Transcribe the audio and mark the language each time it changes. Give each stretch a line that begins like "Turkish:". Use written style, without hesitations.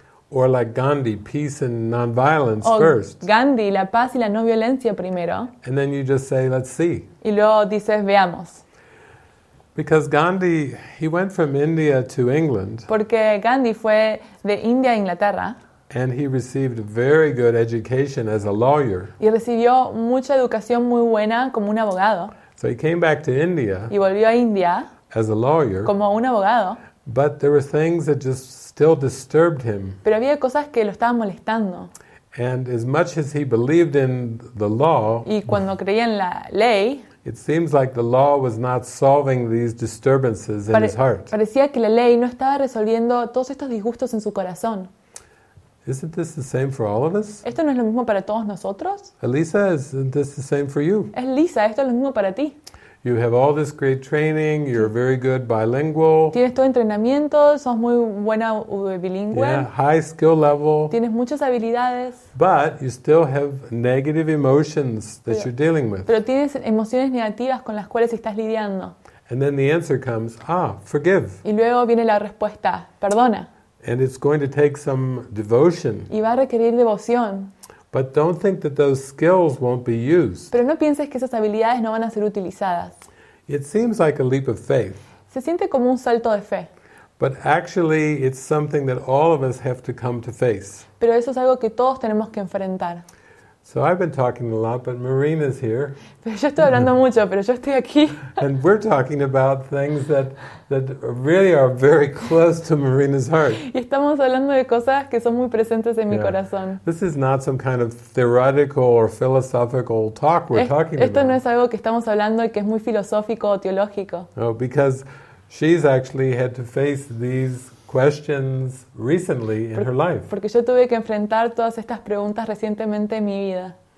English: Or like Gandhi, peace and non-violence first.
Spanish: Gandhi, la paz y la no violencia primero.
English: And then you just say, let's see.
Spanish: Y luego dices, veamos.
English: Because Gandhi, he went from India to England.
Spanish: Porque Gandhi fue de India a Inglaterra.
English: And he received very good education as a lawyer.
Spanish: Y recibió mucha educación muy buena como un abogado.
English: So he came back to India.
Spanish: Y volvió a India.
English: As a lawyer.
Spanish: Como un abogado.
English: But there were things that just still disturbed him.
Spanish: Pero había cosas que lo estaban molestando.
English: And as much as he believed in the law.
Spanish: Y cuando creía en la ley.
English: It seems like the law was not solving these disturbances in his heart.
Spanish: Parecía que la ley no estaba resolviendo todos estos disgustos en su corazón.
English: Isn't this the same for all of us?
Spanish: ¿Esto no es lo mismo para todos nosotros?
English: Elisa, isn't this the same for you?
Spanish: Elisa, ¿esto es lo mismo para ti?
English: You have all this great training, you're very good bilingual.
Spanish: Tienes todo entrenamiento, sos muy buena bilingüe.
English: Yeah, high skill level.
Spanish: Tienes muchas habilidades.
English: But you still have negative emotions that you're dealing with.
Spanish: Pero tienes emociones negativas con las cuales estás lidiando.
English: And then the answer comes, forgive.
Spanish: Y luego viene la respuesta, perdona.
English: And it's going to take some devotion.
Spanish: Y va a requerir devoción.
English: But don't think that those skills won't be used.
Spanish: Pero no pienses que esas habilidades no van a ser utilizadas.
English: It seems like a leap of faith.
Spanish: Se siente como un salto de fe.
English: But actually, it's something that all of us have to come to face.
Spanish: Pero eso es algo que todos tenemos que enfrentar.
English: So I've been talking a lot, but Marina's here.
Spanish: Pero yo estoy hablando mucho, pero yo estoy aquí.
English: And we're talking about things that really are very close to Marina's heart.
Spanish: Y estamos hablando de cosas que son muy presentes en mi corazón.
English: This is not some kind of theoretical or philosophical talk we're talking
Spanish: esto
English: about.
Spanish: Esto no es algo que estamos hablando y que es muy filosófico o teológico.
English: No, because she's actually had to face these questions recently in her life.
Spanish: Porque yo tuve que enfrentar todas estas preguntas recientemente en mi vida.